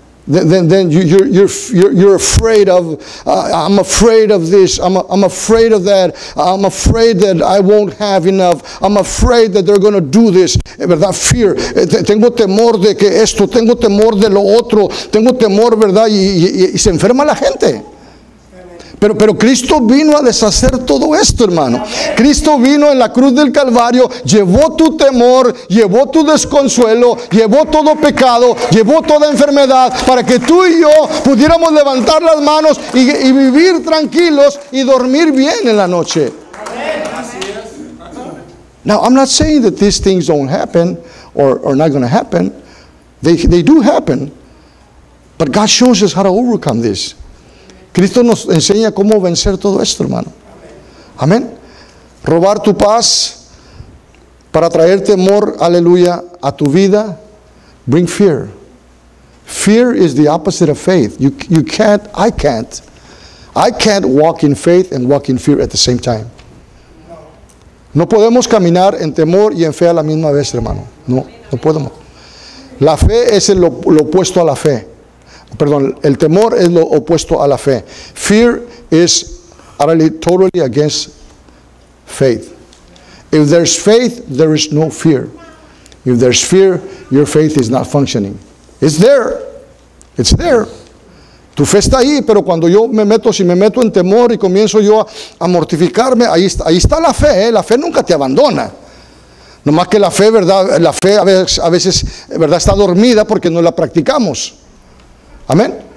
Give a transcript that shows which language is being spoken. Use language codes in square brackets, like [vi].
[en] Then you're afraid of, I'm afraid of this, I'm afraid of that, I'm afraid that I won't have enough, I'm afraid that they're going to do this, ¿verdad? [es] Fear, tengo temor de que esto, tengo temor de lo otro, tengo temor, ¿verdad? Y se enferma la gente. Pero Cristo vino a deshacer todo esto, hermano. Cristo vino en la cruz del Calvario, llevó tu temor, llevó tu desconsuelo, llevó todo pecado, llevó toda enfermedad, para que tú y yo pudiéramos levantar las manos y vivir tranquilos y dormir bien en la noche. [en] Now, I'm not saying that these things don't happen or are not going to happen. They do happen. But God shows us how to overcome this. [es] Cristo nos enseña cómo vencer todo esto, hermano. Amén. Robar tu paz para traer temor, aleluya, a tu vida. [en] Bring fear. Fear is the opposite of faith. You can't, I can't. I can't walk in faith and walk in fear at the same time. [es] No podemos caminar en temor y en fe a la misma vez, hermano. No podemos. La fe es lo opuesto a la fe. Perdón, el temor es lo opuesto a la fe. [en] Fear is utterly, totally against faith. If there's faith, there is no fear. If there's fear, your faith is not functioning. It's there. It's there. [es] Tu fe está ahí, pero cuando yo me meto, si me meto en temor y comienzo yo a mortificarme, ahí está la fe, ¿eh? La fe nunca te abandona. No más que la fe, ¿verdad? La fe a veces, ¿verdad? Está dormida porque no la practicamos. Amén.